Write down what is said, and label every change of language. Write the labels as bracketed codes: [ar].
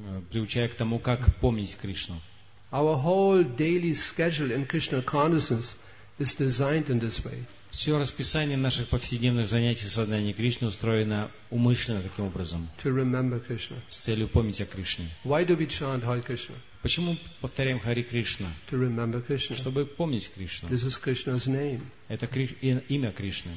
[ru] Приучая к тому, как помнить Кришну. [en] Our whole daily schedule in Krishna consciousness is designed in this way. [ru] Все расписание наших повседневных занятий в сознании Кришны устроено умышленно таким образом. [en] To remember Krishna. [ru] С целью помнить о Кришне. [en] Why do we chant Hare Krishna? [ru] Почему мы повторяем Хари Кришна? [en] To remember Krishna. [ru] Чтобы помнить Кришну. [en] This is Krishna's name. Это имя Кришны.